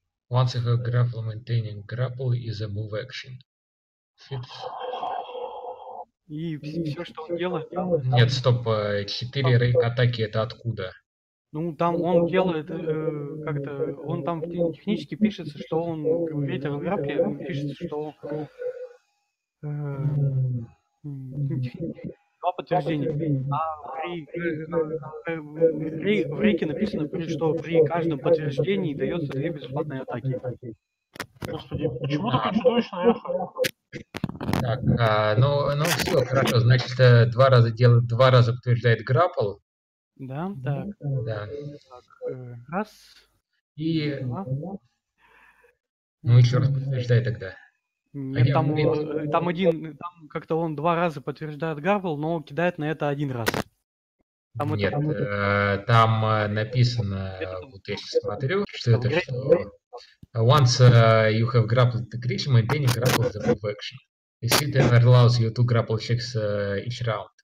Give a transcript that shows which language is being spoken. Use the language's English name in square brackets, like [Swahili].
[English] Once you have grapple, maintaining grapple is a move action. Fits. [Russian] И все, что он делает... Нет, стоп, 4 рейк атаки это откуда? Ну, там он делает как-то... Он там технически пишется, что он говорит о грапле, пишется, что... Два подтверждения. В рейке написано, что при каждом подтверждении дается две бесплатные атаки. Господи, почему такое чудовищно ехать? Так, все, хорошо, значит, два раза делает, два раза подтверждает грапл. Да, так. Да. Так, раз. И. Два. Ну, еще раз подтверждает тогда. Нет, там как-то он два раза подтверждает грапл, но кидает на это один раз. Там нет, это, там написано, вот я сейчас смотрю, что это что. [English] Once you have grappled the creature, maintaining grapple is a move action. This item allows you to grapple checks each round.